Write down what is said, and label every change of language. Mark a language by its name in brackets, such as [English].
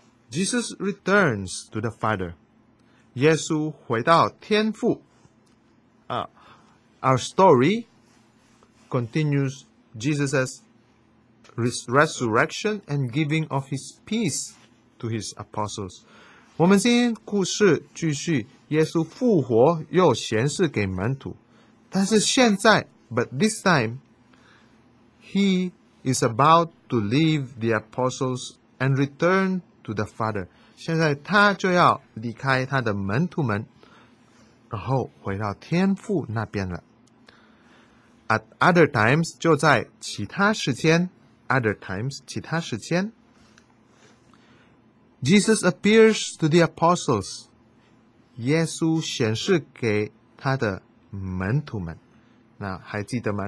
[English] Jesus returns to the Father. [Chinese] 耶稣回到天父。 [English] Our story continues Jesus' resurrection and giving of his peace to his apostles. [Chinese] 我们今天故事继续耶稣复活又显示给门徒。但是现在 [English] but this time, he is about to leave the apostles and return to the Father. [Chinese] 现在他就要离开他的门徒们，然后回到天父那边了。 [English] At other times, [Chinese] 就在其他时间 , [English] other times, [Chinese] 其他时间 , [English] Jesus appears to the apostles, [Chinese] 耶稣显示给他的门徒们。那还记得吗？